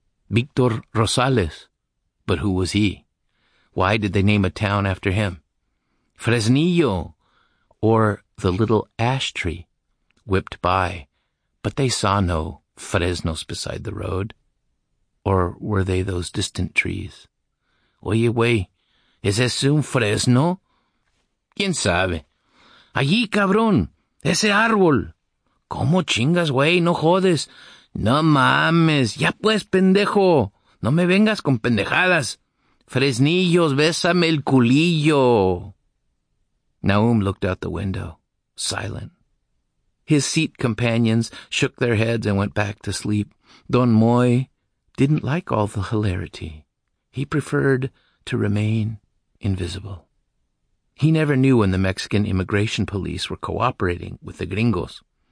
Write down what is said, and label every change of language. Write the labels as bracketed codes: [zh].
[en] Víctor Rosales, but who was he? Why did they name a town after him? Fresnillo, or the little ash tree, whipped by, but they saw no Fresnos beside the road. Or were they those distant trees? [es] Oye, güey, ¿es ese un Fresno? ¿Quién sabe? Allí, cabrón, ese árbol. ¿Cómo chingas, güey? No jodes. No mames, ya pues, pendejo. No me vengas con pendejadas. Fresnillos, bésame el culillo. [en] Naum looked out the window, silent. His seat companions shook their heads and went back to sleep. Don Moy didn't like all the hilarity. He preferred to remain invisible. He never knew when the Mexican immigration police were cooperating with the gringos.